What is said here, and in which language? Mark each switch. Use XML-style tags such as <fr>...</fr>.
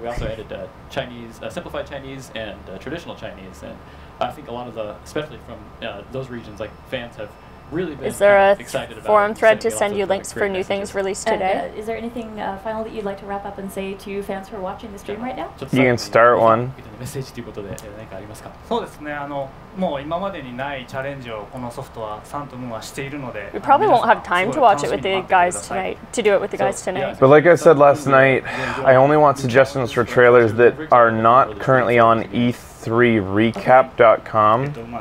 <en>We also added Chinese, simplified Chinese, and traditional Chinese. And I think a lot of the, especially from those regions, like fans have. Really is there kind of a forum thread to send you links for new things released today? And, is there anything final that you'd like to wrap up and say to fans who are watching the stream right now? You can start one.</en> <ja>メッセージということで何かありますか？そうですね、もう今までにないチャレンジをこのソフトはサンとムーンはしているので</ja> <en>We probably won't have time to watch it with the guys tonight, to do it with the guys tonight. But like I said last night, I only want suggestions for trailers that are not currently on E3recap.com.</en>